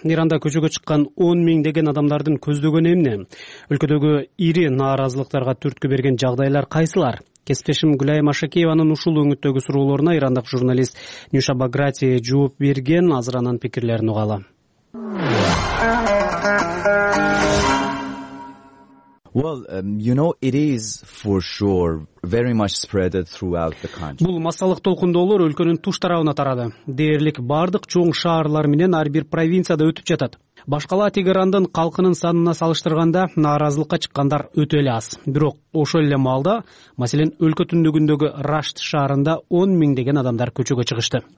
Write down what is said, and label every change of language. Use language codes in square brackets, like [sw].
[ky] Иранда көчөгө чыккан 10,000 деген адамдардын көздөгөнү эмне? Өлкөдөгү ири нааразылыктарга түрткү берген жагдайлар кайсылар? Кесиптешим Гүлай Машакеевнин ушул өңүттөгү суроолоруна ирандык журналист Нюша Баграти жооп берген. Азыр анын пикирлерин угалы. [en] Well, you know, it is for sure very much spread throughout the country. [ky] Бул массалык толкундоолор өлкөнүн туш тарабына тарады. Дээрлик бардык чоң шаарлар менен ар бир провинцияда өтүп жатат. Башкала Тегерандын калкынын санына салыштырганда нааразылыкка чыккандар өтө эле аз. Бирок ошол эле маалда, маселен, өлкө түндүгүндөгү Рашт шаарында 10,000 деген адамдар көчөгө чыгышты.